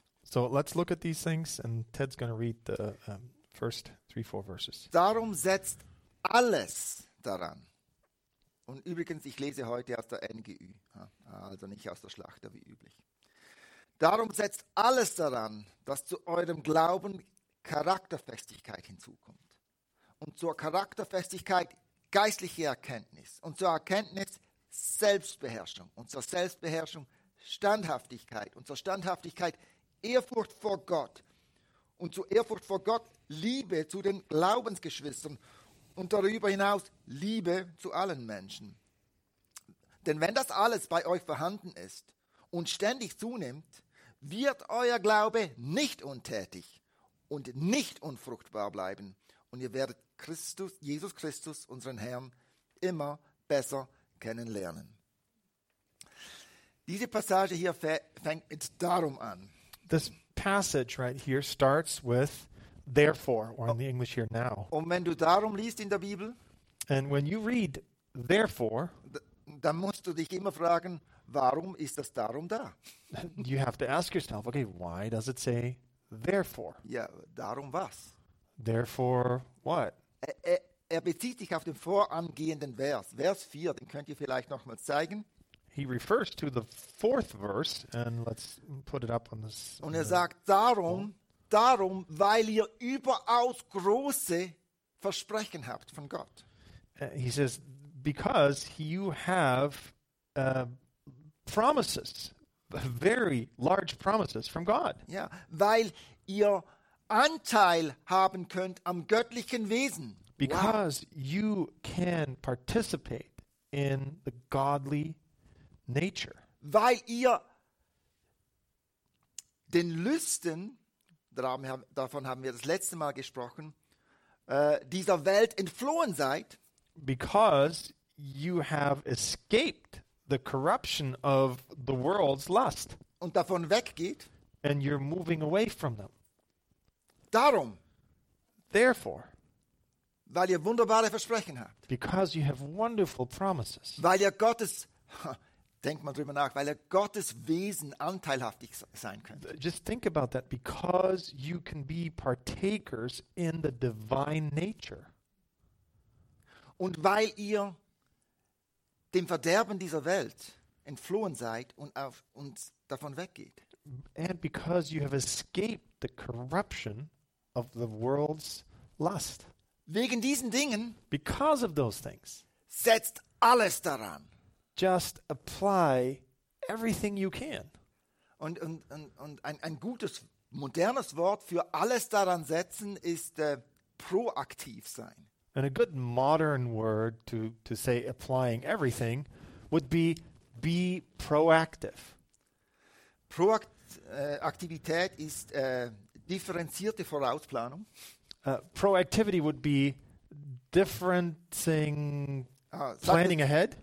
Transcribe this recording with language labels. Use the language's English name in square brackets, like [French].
[English] So let's look at these things and Ted's going to read the first 3-4 verses. [German] Darum setzt alles daran. Und übrigens, ich lese heute aus der NGÜ, also nicht aus der Schlachter wie üblich. Darum setzt alles daran, dass zu eurem Glauben Charakterfestigkeit hinzukommt. Und zur Charakterfestigkeit geistliche Erkenntnis. Und zur Erkenntnis Selbstbeherrschung. Und zur Selbstbeherrschung Standhaftigkeit. Und zur Standhaftigkeit Ehrfurcht vor Gott. Und zur Ehrfurcht vor Gott Liebe zu den Glaubensgeschwistern. Und darüber hinaus Liebe zu allen Menschen. Denn wenn das alles bei euch vorhanden ist und ständig zunimmt, wird euer Glaube nicht untätig und nicht unfruchtbar bleiben. Und ihr werdet Christus, Jesus Christus, unseren Herrn, immer besser kennenlernen. Diese Passage hier fängt mit darum an. [English] This passage right here starts with therefore, or in the English here now. [German] Und wenn du darum liest in der Bibel, [English] and when you read therefore, [German] dann musst du dich immer fragen, warum ist das darum da? [English] You have to ask yourself, okay, why does it say therefore? [German] Ja, darum was? [English] Therefore what? [German] Er bezieht sich auf den vorangehenden Vers, Vers 4, den könnt ihr vielleicht nochmal zeigen. [English] He refers to the fourth verse, and let's put it up on this. [German] Und er sagt, darum, weil ihr überaus große Versprechen habt von Gott. [English] He says, because you have promises, very large promises from God. [German] Ja, weil ihr Anteil haben könnt am göttlichen Wesen. [English] Because you can participate in the godly nature. [German] Weil ihr den Lüsten, davon haben wir das letzte Mal gesprochen, dieser Welt entflohen seid. [English] Because you have escaped the corruption of the world's lust. [German] Und davon weggeht. [English] And you're moving away from them. [German] Darum. [English] Therefore. [German] Weil ihr wunderbare Versprechen habt. [English] Because you have wonderful promises. [German] Weil ihr Gottes, denk mal drüber nach, weil ihr Gottes Wesen anteilhaftig sein könnt. [English] Just think about that, because you can be partakers in the divine nature. [German] Und weil ihr dem Verderben dieser Welt entflohen seid und auf und davon weggeht. [English] And because you have escaped the corruption of the world's lust. [German] Wegen diesen Dingen, [English] because of those things, [German] setzt alles daran. [English] Just apply everything you can. [German] Und ein gutes, modernes Wort für alles daran setzen ist proaktiv sein. [English] And a good modern word to say applying everything would be proactive. [German] Proaktivität ist differenzierte Vorausplanung. [English] Proactivity would be differencing, planning ahead.